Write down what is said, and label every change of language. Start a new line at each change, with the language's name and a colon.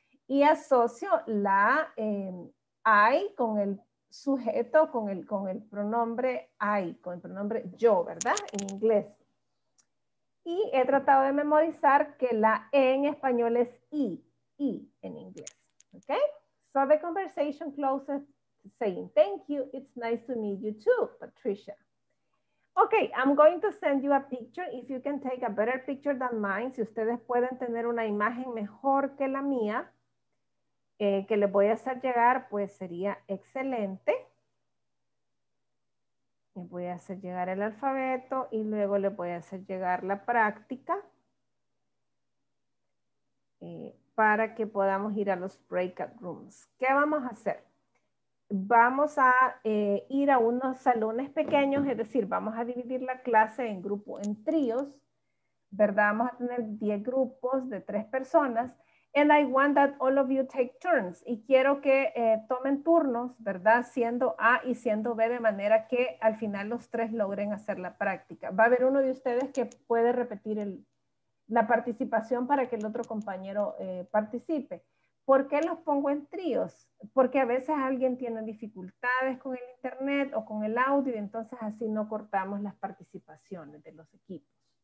Spanish: Y asocio la I con el sujeto, con el pronombre I, con el pronombre yo, ¿verdad? En inglés. Y he tratado de memorizar que la E en español es I en inglés.
English: Okay? So the conversation closes saying, thank you, it's nice to meet you too, Patricia. Okay, I'm going to send you a picture. If you can take a better picture than mine,
Spanish: si ustedes pueden tener una imagen mejor que la mía, que les voy a hacer llegar, pues sería excelente. Les voy a hacer llegar el alfabeto y luego les voy a hacer llegar la práctica para que podamos ir a los breakout rooms. ¿Qué vamos a hacer? Vamos a ir a unos salones pequeños, es decir, vamos a dividir la clase en grupo, en tríos, ¿verdad? Vamos a tener 10 grupos de 3 personas.
English: And I want that all of you take turns.
Spanish: Y quiero que tomen turnos, ¿verdad? Siendo A y siendo B, de manera que al final los tres logren hacer la práctica. Va a haber uno de ustedes que puede repetir la participación para que el otro compañero participe. ¿Por qué los pongo en tríos? Porque a veces alguien tiene dificultades con el internet o con el audio, y entonces así no cortamos las participaciones de los equipos.